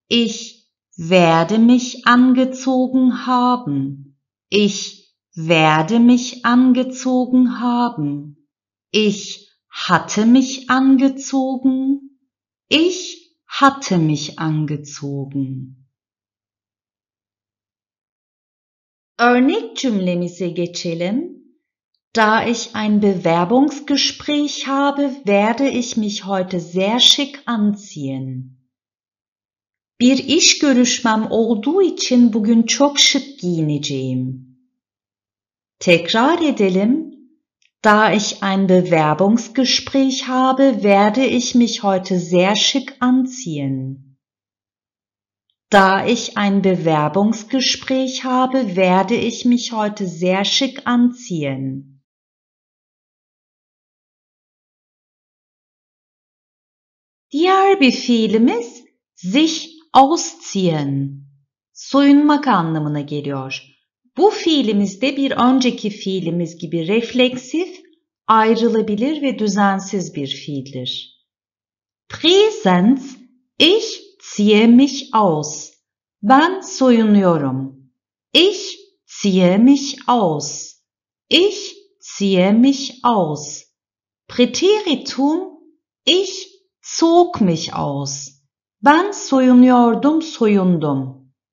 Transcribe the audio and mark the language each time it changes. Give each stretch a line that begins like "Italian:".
German: Ich werde mich angezogen haben. Ich werde mich angezogen haben. Ich hatte mich angezogen. Ich hatte mich angezogen.
Turkish: Örnek cümlemize geçelim.
German: Da ich ein Bewerbungsgespräch habe, werde ich mich heute sehr schick anziehen.
Turkish: Bir iş görüşmem olduğu için bugün çok şık giyineceğim. Tekrar edelim.
German: Da ich ein Bewerbungsgespräch habe, werde ich mich heute sehr schick anziehen. Da ich ein Bewerbungsgespräch habe, werde ich mich heute sehr schick anziehen.
Turkish: Diğer bir fiilimiz sich ausziehen, soyunmak anlamına geliyor. Bu fiilimiz de bir önceki fiilimiz gibi refleksif, ayrılabilir ve düzensiz bir fiildir.
German: Präsens, ich ziehe mich aus.
Turkish: Ben soyunuyorum.
German: Ich ziehe mich aus. Ich ziehe mich aus. Präteritum, ich zog mich aus.
Turkish: Ben soyunuyordum, soyundum.